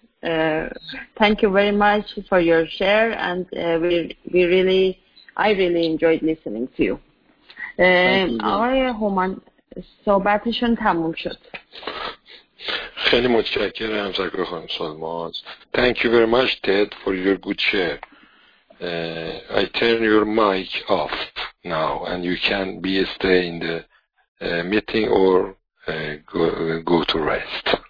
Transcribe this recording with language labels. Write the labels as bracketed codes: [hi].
[en] Thank you very much for your share, and I really enjoyed listening to you. [fa] آقای هومن صحبتشون تموم شد. خیلی متشکرم زکر خانم سلماز. [en] Thank you very much, Ted, for your good share. I turn your mic off now, and you can be stay in the meeting or go to rest.